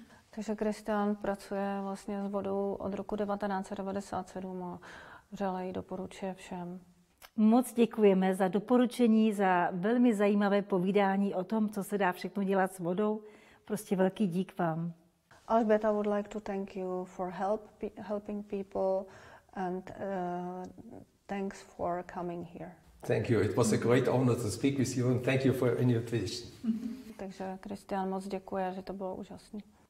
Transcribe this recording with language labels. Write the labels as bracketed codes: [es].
[cs] Takže Kristian pracuje vlastně s vodou od roku 1997 a vřele ji doporučuje všem. Moc děkujeme za doporučení, za velmi zajímavé povídání o tom, co se dá všechno dělat s vodou. Prostě velký dík vám. [en] Alžběta, would like to thank you for helping people and thanks for coming here. Thank you. It was a great honor to speak with you and thank you for your invitation. [cs] Takže Kristian, moc děkuji, že to bylo úžasné.